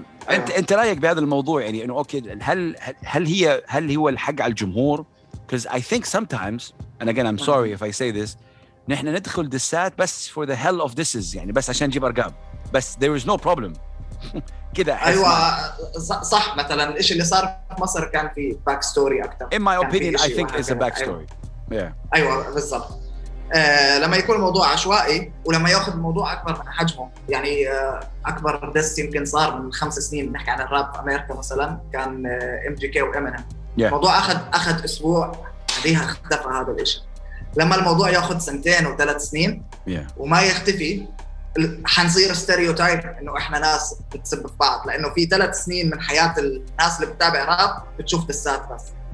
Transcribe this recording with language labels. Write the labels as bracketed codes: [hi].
[ar] انت رايك بهذا الموضوع يعني، انه اوكي هل هو الحق على الجمهور؟ [en] because I think sometimes and again I'm sorry if I say this، [ar] نحن ندخل دسات بس [en] for the hell of this is [ar] يعني، بس عشان نجيب ارقام، بس [en] there is no problem. [ar] كده ايوه صح. مثلا الشيء اللي صار في مصر كان في باك ستوري اكثر. [en] in my opinion I think it's a back story. [ar] ايوه بالضبط. لما يكون الموضوع عشوائي ولما ياخذ الموضوع اكبر من حجمه. يعني اكبر دست يمكن صار من 5 سنين بنحكي عن الراب في امريكا مثلا كان ام جي كي وامينيم. الموضوع اخذ اسبوع بعدها اختفى هذا الشيء. لما الموضوع ياخذ 2 أو 3 سنين وما يختفي حنصير ستيريوتايب انه احنا ناس بتسب في بعض، لانه في 3 سنين من حياه الناس اللي بتتابع راب بتشوف دسات بس.